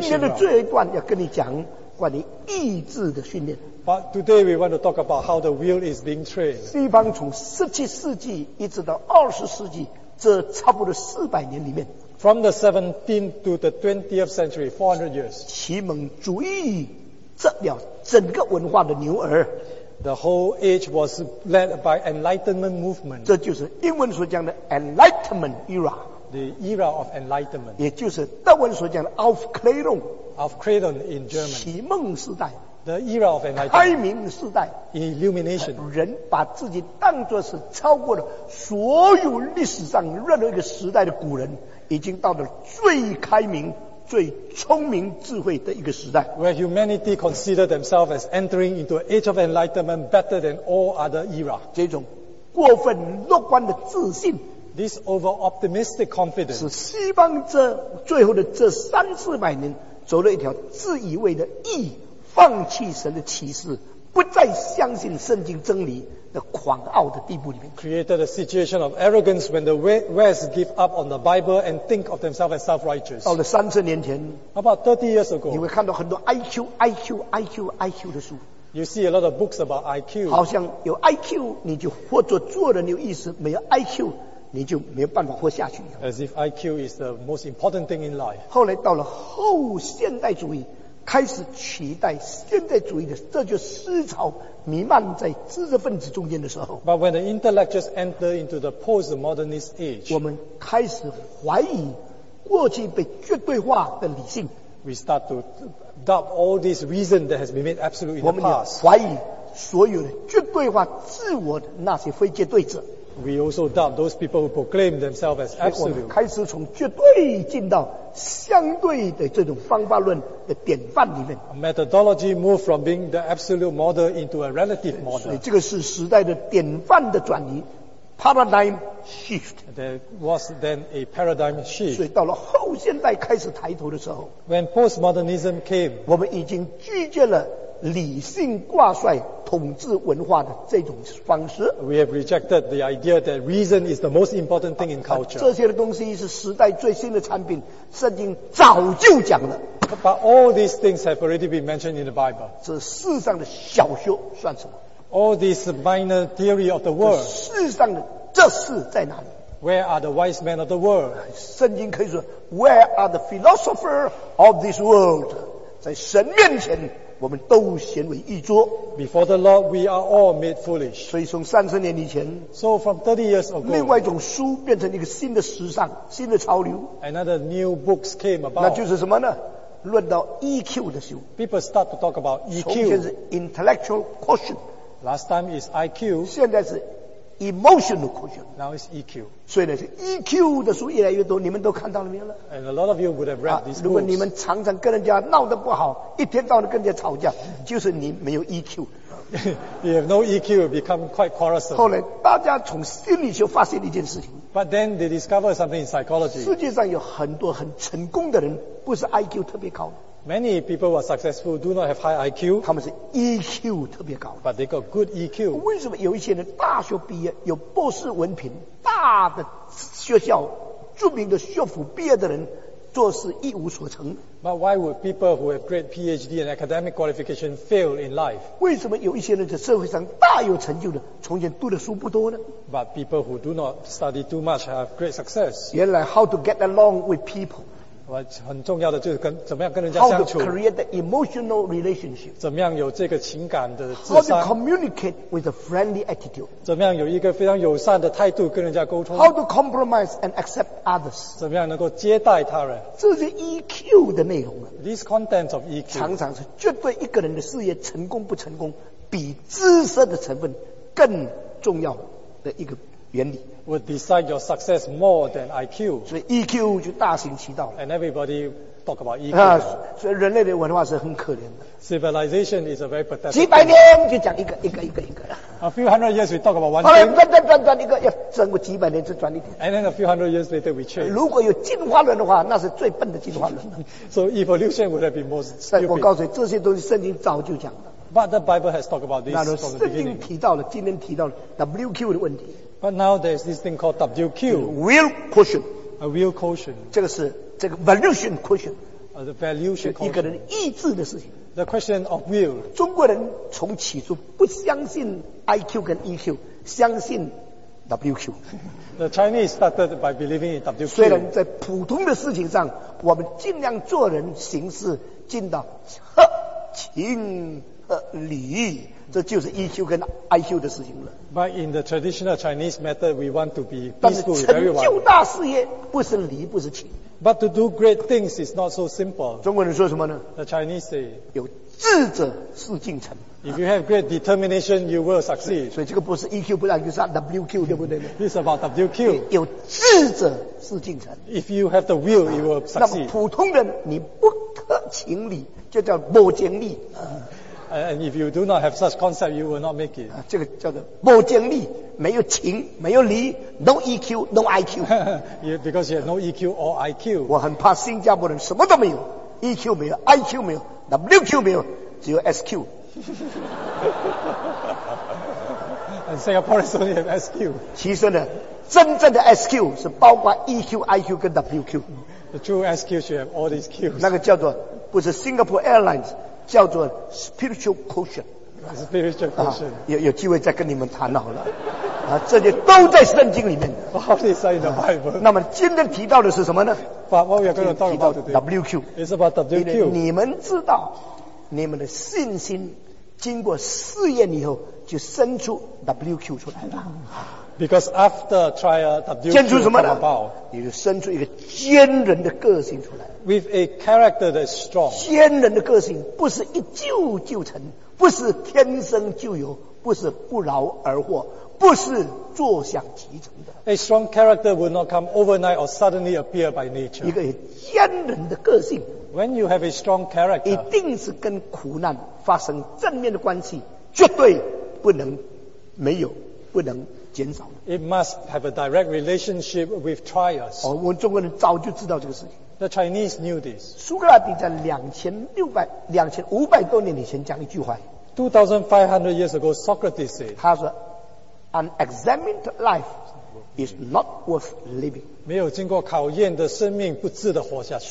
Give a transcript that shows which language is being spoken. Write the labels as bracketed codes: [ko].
[zh] 今天的最后一段要跟你讲关于意志的训练。 [en] But today we want to talk about how the will is being trained. [zh] 西方从17世纪一直到20世纪，这差不多400年里面。 [en] From the 17th to the 20th century, 400 years. [zh] 启蒙主义折了整个文化的牛耳。 [en] The whole age was led by Enlightenment movement. [zh] 这就是英文所讲的 Enlightenment era。 [en] The era of enlightenment, [zh] 也就是德文所讲的 Aufklärung, [en] Aufklärung in German, [zh] 启蒙时代 [en] ，the era of enlightenment, [zh] 开明时代 [en] ，illumination, [zh] 人把自己当作是超过了所有历史上任何一个时代的古人，已经到了最开明、最聪明、智慧的一个时代。 [en] Where humanity considered themselves as entering into an age of enlightenment better than all other era, [zh] 这种过分乐观的自信。 [en] This over-optimistic confidence [zh] 是西方这最后的这三四百年走了一条自以为的义，放弃神的启示，不再相信圣经真理，的狂傲的地步里面。 [en] Created a situation of arrogance when the West give up on the Bible and think of themselves as self-righteous. [zh] 到了三十年前 [en] ，about 30 years ago， [zh] 你会看到很多 IQ 的书。 [en] You see a lot of books about IQ. [zh] 好像有 IQ， 你就或者做人有意思；没有 IQ， 你就没有办法活下去。 [en] As if IQ is the most important thing in life. [zh] 后来到了后现代主义。开始取代现代主义的这就思潮弥漫在知识分子中间的时候 [en] But when the intellectuals enter into the post-modernist age [zh] 我们开始怀疑过去被绝对化的理性 [en] We start to doubt all this reason that has been made absolute in the past [zh] 我们也怀疑所有的绝对化自我的那些非绝对者 [en] We also doubt those people who proclaim themselves as absolute [zh] 所以我们开始从绝对进到相对的这种方法论的典范里面 [en] a methodology moved from being the absolute model into a relative model [zh] 所以这个是时代的典范的转移 paradigm shift [en] there was then a paradigm shift [zh] 所以到了后现代开始抬头的时候 [en] when postmodernism came [zh] 我们已经拒绝了理性挂帅统治文化的这种方式 [en] we have rejected the idea that reason is the most important thing in culture [zh] 这些的东西是时代最新的产品圣经早就讲了 [en] but all these things have already been mentioned in the Bible [zh] 这世上的小学算什么 [en] all these minor theory of the world [zh] 世上的这事在哪里 [en] where are the wise men of the world [zh] 圣经可以说 [en] where are the philosophers of this world [zh] 在神面前我们都显为愚拙 [en] Before the Lord, we are all made foolish. [zh] 所以从三十年以前 [en] So from 30 years ago, [zh] 另外一种书变成一个新的时尚新的潮流 [en] Another new books came about. [zh] 那就是什么呢论到 EQ 的书 [en] People start to talk about EQ. [zh] 从前是 intellectual quotient. [en] Last time is IQ. [zh] 现在是 emotional quotient. [en] Now is EQ. [zh] 所以呢是 EQ 的书越来越多你们都看到了没有了 [en] And a lot of you would have read these books [zh] 如果你们常常跟人家闹得不好一天到晚跟人家吵架就是你没有 EQ [en] You have no EQ you become quite quarrelsome [zh] 后来大家从心理学发现一件事情 [en] But then they discover something in psychology [zh] 世界上有很多很成功的人不是 IQ 特别高 [en] Many people who are successful do not have high IQ [zh] 他们是 EQ 特别高 [en] But they got good EQ [zh] 为什么有一些人大学毕业有博士文凭大的学校著名的学府毕业的人做事一无所成 [en] But why would people who have great PhD and academic qualification fail in life? [zh] 为什么有一些人在社会上大有成就的从前读的书不多呢 [en] But people who do not study too much have great success [zh] 原来 [en] how to get along with people [zh] 很重要的就是跟怎么样跟人家相处 [en] How to create the emotional relationship [zh] 怎么样有这个情感的智商 [en] How to communicate with a friendly attitude [zh] 怎么样有一个非常友善的态度跟人家沟通 [en] How to compromise and accept others [zh] 怎么样能够接待他人这是 EQ 的内容 [en] This content of EQ [zh] 常常是绝对一个人的事业成功不成功比知识的成分更重要的一个原理 [en] would decide your success more than IQ. [zh] 所以 EQ 就大行其道。 [en] And everybody talk about EQ. [zh] 所以人类的文化是很可怜的。 [en] Civilization is a very pathetic. [zh] 几百年就讲一个一个一个一个。 [en] A few hundred years we talk about one thing. [zh] 转一个，要转过几百年就转一点。 [en] And then a few hundred years later we change. [zh] 如果有进化论的话，那是最笨的进化论。 [en] So evolution would have been most stupid. [zh] 我告诉你，这些东西圣经早就讲了。 [en] But the Bible has talked about this from the beginning. [zh] 圣经提到了，今天提到了 WQ 的问题。 [en] But now there's this thing called WQ. Will quotient. A will quotient. [zh] 这个是这个 valuation quotient. [en] The valuation quotient. [zh] 一个人意志的事情。 [en] The question of will. [zh] 中国人从起初不相信 IQ 跟 EQ, 相信 WQ. [en] The Chinese started by believing in WQ. [zh] 虽然在普通的事情上我们尽量做人行事尽到合情合理。这就是 EQ 跟 IQ 的事情了。 [en] But in the traditional Chinese method, we want to be peaceful with everyone. [zh] 但是成就大事业不是理不是情。 [en] But to do great things is not so simple. [zh] 中国人说什么呢 [en] ？The Chinese say, [zh] 有志者事竟成。 [en] If you have great determination, you will succeed. [zh] 所以这个不是 EQ， 不然就是 WQ， 对不对 [en] ？It's about WQ. [zh] 有志者事竟成。 [en] If you have the will, you will succeed. [zh] 那么普通人你不合情理，就叫不经历。 [en] And if you do not have such concept, you will not make it. [zh] 这个叫做不经历，没有情，没有理 ， [en] no EQ, no IQ. yeah, because you have no EQ or IQ. [zh] 我很怕新加坡人什么都没有 ，EQ 没有 ，IQ 没有 ，WQ 没有，只有 SQ. [en] And Singaporeans only have SQ. [zh] 其实呢，真正的 SQ 是包括 EQ、IQ 跟 WQ。 [en] The true SQ should have all these Qs. [zh] 那个叫做不是 Singapore Airlines， 叫做 Spiritual Quotient。 [en] Spiritual Quotient、啊。 [zh] 有机会再跟你们谈好了。啊，这些都在圣经里面。 [en] All these are in the Bible.、 [zh] 那么今天提到的是什么呢 [en] ？But what we are going to talk about today? WQ. It's about WQ. [zh] 你们知道，你们的信心经过试验以后，就生出 WQ 出来了。 [en] Because after trial, WQ [zh] 建出什么呢 [en] come about, [zh] 你就生出一个坚韧的个性出来。 [en] With a character that is strong. [zh] 坚韧的个性不是一就就成，不是天生就有，不是不劳而获，不是坐享其成的。 [en] A strong character will not come overnight or suddenly appear by nature. [zh] 一个坚韧的个性。 [en] When you have a strong character, [zh] 一定是跟苦难发生正面的关系，绝对不能没有，不能减少。 [en] It must have a direct relationship with trials. [zh] 哦，我中国人早就知道这个事情。 [en] The Chinese knew this. [zh] 苏格拉底在2500多年以前讲一句话。 [en] 2500 years ago, Socrates said. [zh] 他说 [en] ，Unexamined life is not worth living. [zh] 没有经过考验的生命不值得活下去。